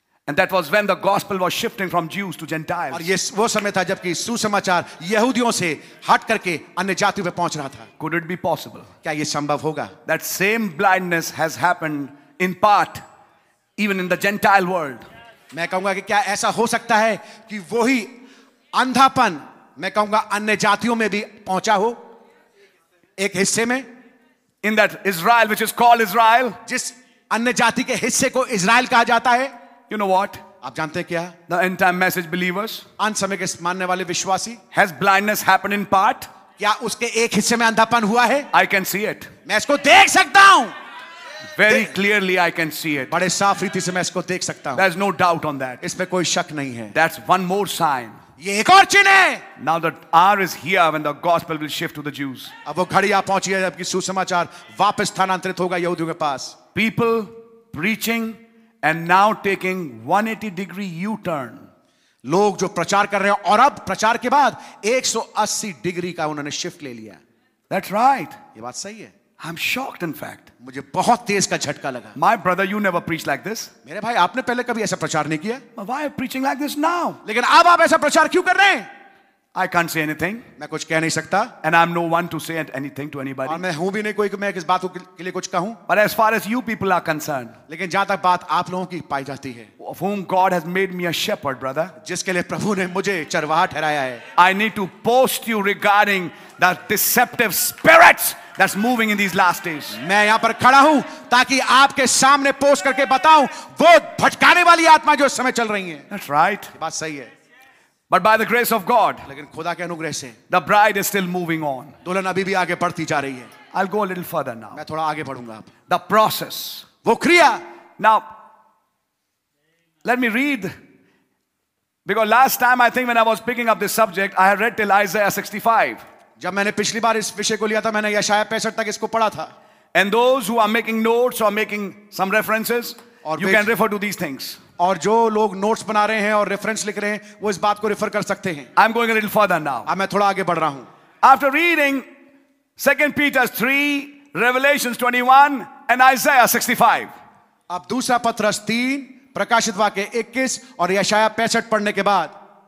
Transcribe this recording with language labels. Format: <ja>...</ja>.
<en>And that was when the gospel was shifting from Jews to Gentiles.</en> <hi>और ये वो समय था जबकि सुसमाचार यहूदियों से हट करके अन्य जातियों पे पहुंच रहा था.</hi> <en>Could it be possible?</en> <hi>क्या ये संभव होगा?</hi> <en>That same blindness has happened in part even in the Gentile world.</en> <hi>मैं कहूंगा कि क्या ऐसा हो सकता है कि वही अंधापन मैं कहूंगा अन्य जातियों में भी पहुंचा हो एक हिस्से में.</hi> <en>In that Israel which is called Israel.</en> <hi>जिस अन्य जाति के हिस्से को इज़राइल कहा जाता है.</hi> <en>You know what?</en> <hi>आप जानते हैं क्या?</hi> <en>The end time message believers.</en> <hi>अंत समय के मानने वाले विश्वासी.</hi> <en>Has blindness happened in part?</en> <hi>क्या उसके एक हिस्से में अंधापन हुआ है?</hi> <en>I can see it.</en> <hi>मैं इसको देख सकता हूँ.</hi> <en>Very clearly I can see it.</en> <hi>बड़े साफ रीति से मैं इसको देख सकता हूँ.</hi> <en>There's no doubt on that.</en> <hi>इसमें कोई शक नहीं है.</hi> <en>That's one more sign.</en> <hi>ये एक और चिन्ह है.</hi> <en>Now that hour is here when the gospel will shift to the Jews.</en> <hi>अब वो घड़ी आ पहुंची है जबकि सुसमाचार वापस स्थानांतरित होगा यहूदियों के पास.</hi> <en>People preaching. And now taking 180 degree U-turn.</en> <hi>लोग जो प्रचार कर रहे हैं और अब प्रचार के बाद 180 डिग्री का उन्होंने शिफ्ट ले लिया.</hi> <en>That's right.</en> <hi>ये बात सही है.</hi> <en>I'm shocked, in fact.</en> <hi>मुझे बहुत तेज का झटका लगा.</hi> <en>My brother, you never preached like this.</en> <hi>मेरे भाई, आपने पहले कभी ऐसा प्रचार नहीं किया.</hi> <en>But why are you preaching like this now?</en> <hi>लेकिन अब आप ऐसा प्रचार क्यों कर रहे हैं?</hi> <en>I can't say anything.</en> <hi>मैं कुछ कह नहीं सकता.</hi> <en>And I'm no one to say anything to anybody.</en> <hi>और मैं हूँ भी नहीं कोई कि मैं किस बात के लिए कुछ कहूँ.</hi> <en>But as far as you people are concerned,</en> <hi>लेकिन जहाँ तक बात आप लोगों की पाई जाती है,</hi> <en>of whom God has made me a shepherd, brother,</en> <hi>जिसके लिए प्रभु ने मुझे चरवाहा ठहराया है,</hi> <en>I need to post you regarding the deceptive spirits that's moving in these last days.</en> <hi>मैं यहाँ पर खड़ा हूँ ताकि आपके सामने पोस्ट करके बताऊँ वो भटकाने वाली आत्मा जो इस समय चल रही है.</hi> <en>That's right.</en> <hi>बात सही है.</hi> <en>But by the grace of God,</en> <hi>लेकिन खुदा के अनुग्रह से,</hi> <en>the bride is still moving on.</en> <hi>दुल्हन अभी भी आगे बढ़ती जा रही है.</hi> <en>I'll go a little further now.</en> <hi>मैं थोड़ा आगे बढ़ूंगा.</hi> <en>The process.</en> <hi>वो क्रिया.</hi> <en>Now, let me read. Because last time, I think when I was picking up this subject, I had read till Isaiah 65.</en> <hi>जब मैंने पिछली बार इस विषय को लिया था, मैंने यशायाह 65 तक इसको पढ़ा था.</hi> <en>And those who are making notes or making some references, you can refer to these things.</en> <hi>और जो लोग नोट्स बना रहे हैं और रेफरेंस लिख रहे हैं वो इस बात को रेफर कर सकते हैं.</hi> <en>I am going a little further now.</en> <hi>मैं थोड़ा आगे बढ़ रहा हूं.</hi> <en>After reading 2 Peter 3, revelation 21 and Isaiah 65.</en> <hi>अब दूसरा पत्रस 3, प्रकाशित वाक्य 21 और यशायाह 65 पढ़ने के बाद,</hi>